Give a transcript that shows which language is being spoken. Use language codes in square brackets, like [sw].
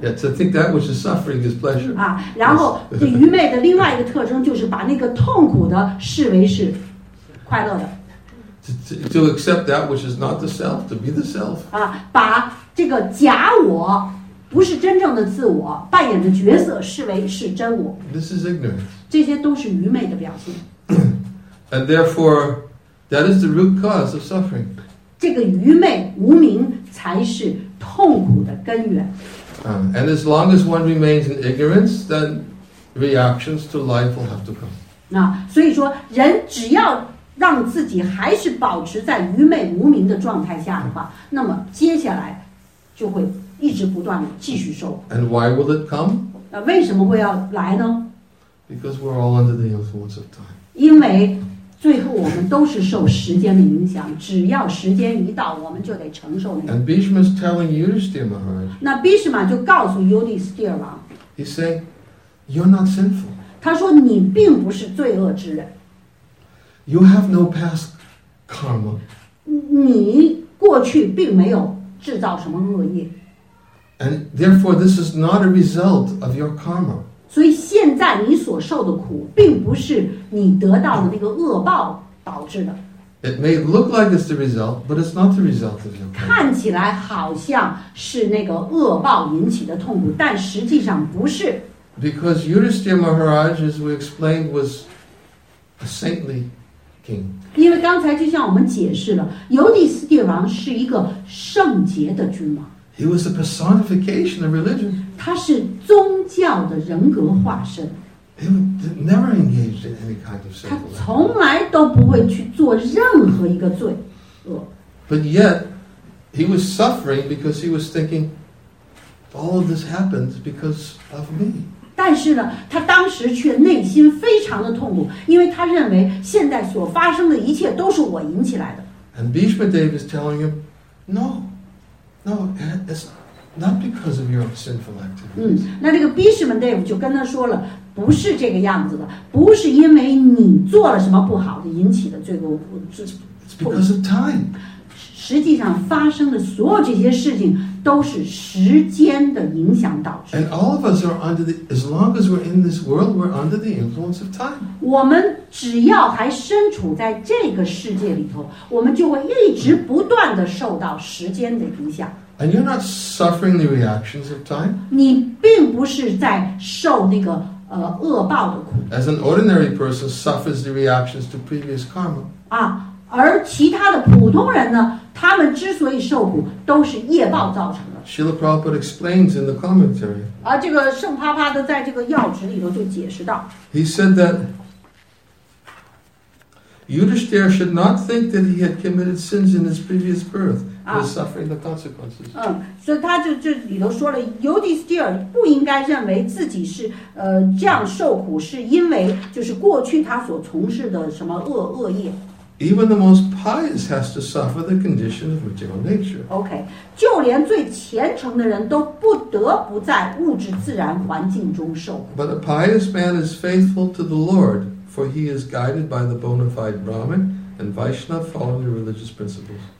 [en] Yeah, to think that which is suffering is pleasure. [zh] 然后对愚昧的另外一个特征就是把那个痛苦的视为是快乐的。 [en] To accept that which is not the self, to be the self. [zh] 把这个假我不是真正的自我扮演的角色视为是真我。 [en] This is ignorance. [zh] 这些都是愚昧的表现。 [en] And therefore, that is the root cause of suffering. [zh] 这个愚昧无明才是痛苦的根源。 [en] And as long as one remains in ignorance, then reactions to life will have to come. [zh] 所以说人只要让自己还是保持在愚昧无明的状态下的话，那么接下来就会一直不断的继续受。 [en] And why will it come? [zh] 为什么会要来呢？ [en] Because we're all under the influence of time. [zh] 因为最后我们都是受时间的影响，只要时间一到，我们就得承受那个。 [en] And Bhishma is telling Yudhisthira Maharaj. [zh] 那 Bhishma 就告诉 Yudhisthira 王。 [en] He said, "You're not sinful." [zh] 他说你并不是罪恶之人。 [en] You have no past karma. [zh] 你过去并没有制造什么恶业。 [en] And therefore, this is not a result of your karma. [zh] 所以现在你所受的苦并不是你得到的那个恶报导致的。 [en] It may look like it's the result, but it's not the result of your karma. [zh] 看起来好像是那个恶报引起的痛苦，但实际上不是。 [en] Because Yudhisthira Maharaj, as we explained, was a saintly king. [zh] 因为刚才就像我们解释了，尤底斯帝王是一个圣洁的君王。 [en] He was a personification of religion. [zh] 他是宗教的人格化身。 [en] He never engaged in any kind of sin. [zh] 他从来都不会去做任何一个罪恶。 [en] But yet, he was suffering because he was thinking, all of this happened because of me. [zh] 但是呢，他当时却内心非常的痛苦，因为他认为现在所发生的一切都是我引起来的。 [en] And Bhishma Dev is telling him, no. No, it's not because of your sinful activities. [zh] 那这个 Bhishma Dev 就跟他说了，不是这个样子的，不是因为你做了什么不好的引起的罪过。 [en] It's because of time. [zh] 实际上发生的所有这些事情都是时间的影响导致。 [en] And all of us are under the, as long as we're in this world, we're under the influence of time. [zh] 我们只要还身处在这个世界里头，我们就会一直不断的受到时间的影响。 [en] And you're not suffering the reactions of time. [zh] 你并不是在受那个恶报的苦。 [en] As an ordinary person suffers the reactions to previous karma. [zh] 而其他的普通人呢，他们之所以受苦，都是业报造成的。 [en] Srila Prabhupada explains in the commentary. [zh] 这个圣啪啪的在这个要旨里头就解释到。 [en] He said that Yudhishthira should not think that he had committed sins in his previous birth. He was suffering the consequences. [zh] 所以他就里头说了, Yudhishthira 不应该认为自己是这样受苦，是因为就是过去他所从事的什么恶业。 [en] Even the most pious has to suffer the condition of material nature. [zh] Okay, 就连最虔诚的人都不得不在物质自然环境中受苦。 [en] But a pious man is faithful to the Lord, for he is guided by the bona fide Brahman and Vaishnava following the religious principles.